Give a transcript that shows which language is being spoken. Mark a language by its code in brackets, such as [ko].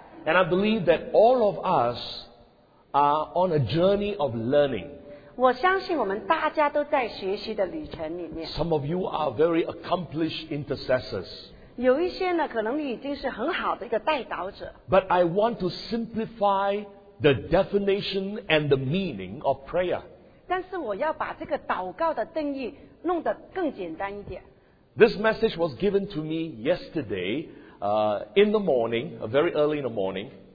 [en] And I believe that all of us are on a journey of learning. [zh] 我相信我们大家都在学习的旅程里面。 [en] Some of you are very accomplished intercessors. [zh] 有一些呢, [en] but I want to simplify the definition and the meaning of prayer. This message was given to me yesterday in the morning, very early in the morning.